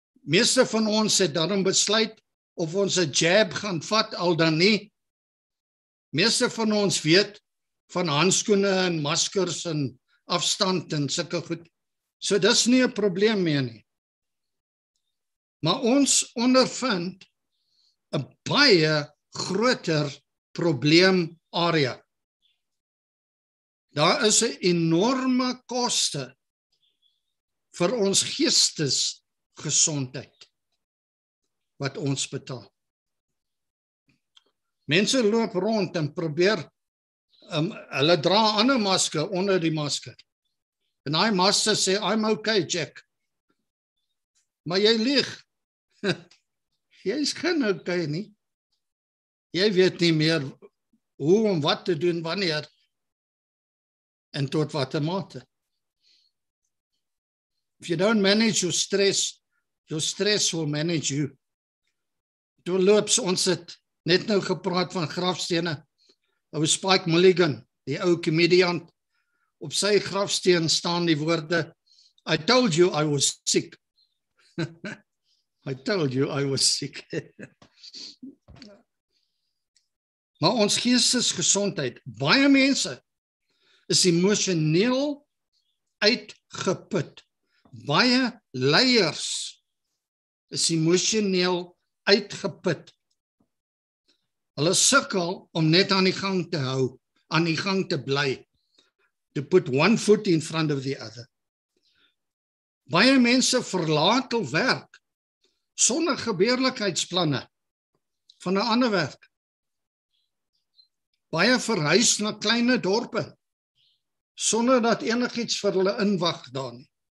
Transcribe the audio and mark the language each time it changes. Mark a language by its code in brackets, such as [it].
[af] Meeste van ons het daarom besluit of ons 'n jab gaan vat al dan nie. Meeste van ons weet van handskoene en maskers en afstand en sulke goed. So dis nie 'n probleem meer nie. Maar ons ondervind 'n baie groter probleemarea. Daar is 'n enorme koste vir ons geestesgesondheid wat ons betaal. Mense loop rond en probeer, hulle dra ander masker onder die masker. En die masker sê, [en] I'm okay, Jack. [af] Maar jy lieg. Jy is geen okay nie. Jy weet nie meer hoe om wat te doen, wanneer en tot wat mate. [en] If you don't manage your stress will manage you. [af] Doorloops, ons het net nou gepraat van grafstene. Ou Spike Mulligan, die ou comedian, op sy grafsteen staan die woorde, [en] I told you I was sick. I told you I was sick. [af] Maar ons geestesgesondheid, baie mense is emosioneel uitgeput. Baie leiers is emosioneel uitgeput. Hulle sukkel om net aan die gang te hou, aan die gang te bly. [en] To put one foot in front of the other. [af] Baie mense verlaat hul werk sonder gebeurlikheidsplanne van 'n ander werk. Baie verhuis na kleine dorpe sonder dat enigiets vir hulle inwag daar nie.